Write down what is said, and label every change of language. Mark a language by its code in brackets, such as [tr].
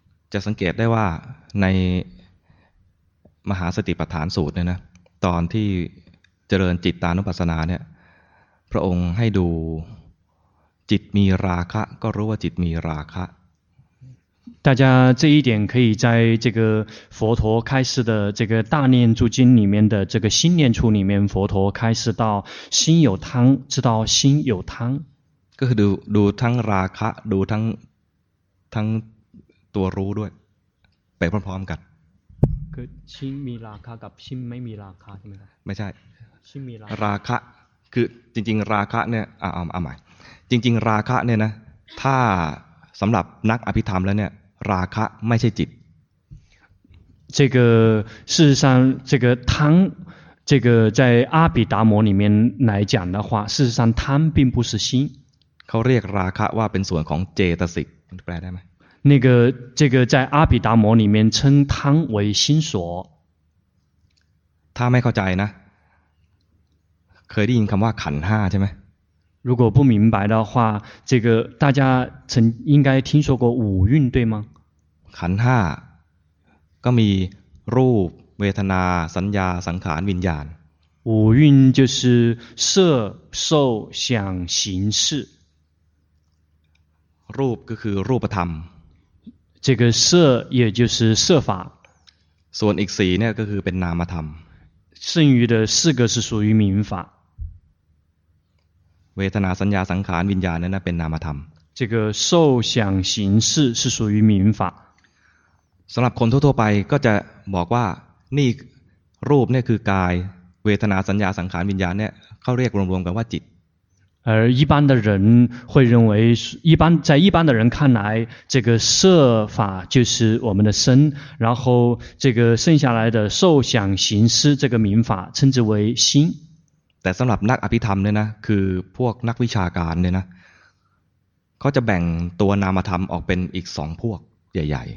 [th] จะสังเกตได้ว่าในมหาสติปัฏฐานสูตรเนี่ยนะตอนที่เจริญจิตตานุปัสสนาเนี่ยพระองค์ให้ดูจิตมีราคะก็รู้ว่าจิตมีราคะ [zh] 大家这一点可以在这个佛陀开示的这个大念住经里面的这个心念处里面，佛陀开示到心有贪，知道心有贪。 [th] ก็ดูทั้งราคะดูทั้งตัวรู้ด้วยไปพร้อมๆกัน。 คือ心มีราคะกับ心ไม่มีราคะใช่ไหมครับ？ ไม่ใช่。 心มี ราคะคือจริงๆราคะเนี่ยเอาใหม่จริงๆราคะเนี่ยนะถ้าสำหรับนักอภิธรรมแล้วเนี่ยราคะไม่ใช่จิต [zh] 这个事实上这个贪这个在阿毗达摩里面来讲的话事实上贪并不是心 [th] เขาเรียกราคะว่าเป็นส่วนของเจตสิกแปลได้ไหม [zh] 那个这个在阿毗达摩里面称贪为心所 [th] ถ้าไม่เข้าใจนะเคยได้ยินคำว่าขันห้าใช่ไหม [zh] 如果不明白的话这个大家曾应该听说过五蕴对吗 [th] ขันห้าก็มีรูปเวทนาสัญญาสังขารวิญญาณ [zh] 五蕴就是色受想行识 [th] รูปก็คือรูปธรรม [zh] 这个色也就是色法 [th] ส่วนอีกสี่เนี่ยก็คือเป็นนามธรรม [zh] 剩余的四个是属于名法 [th] เวทนาสัญญาสังขารวิญญาณนั้นเป็นนามธรรม [zh] 这个受想行识是属于名法 [th] สำหรับคนทั่วๆไปก็จะบอกว่านี่รูปเนี่ยคือกายเวทนาสัญญาสังขารวิญญาณเนี่ยเขาเรียกรวมๆกันว่าจิต [zh] 而一般的人会认为在一般的人看来这个色法就是我们的身然后这个剩下来的受想行识这个名法称之为心 [th] แต่สำหรับนักอภิธรรมเนี่ยนะคือพวกนักวิชาการเนี่ยนะเขาจะแบ่งตัวนามธรรมออกเป็นอีกสองพวกใหญ่